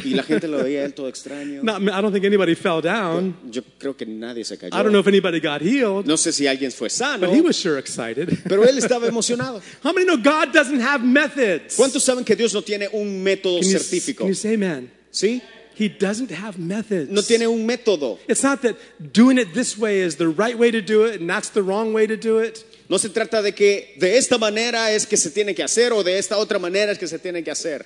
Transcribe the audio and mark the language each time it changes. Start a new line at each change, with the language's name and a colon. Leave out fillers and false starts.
Spanish: Y la gente lo veía él todo extraño.
English: Not, I don't think anybody fell down.
Spanish: Yo creo que nadie se cayó.
English: I don't know if anybody got healed.
Spanish: No sé si alguien fue sano.
English: But he was sure excited.
Spanish: Pero él estaba emocionado.
English: How many know God doesn't have methods?
Spanish: ¿Cuántos saben que Dios no tiene un método certificado?
English: Can you say amen?
Spanish: ¿Sí?
English: He doesn't have methods.
Spanish: No tiene un método.
English: It's not that doing it this way is the right way to do it and that's the wrong way to do it.
Spanish: No se trata de que de esta manera es que se tiene que hacer o de esta otra manera es que se tiene que hacer.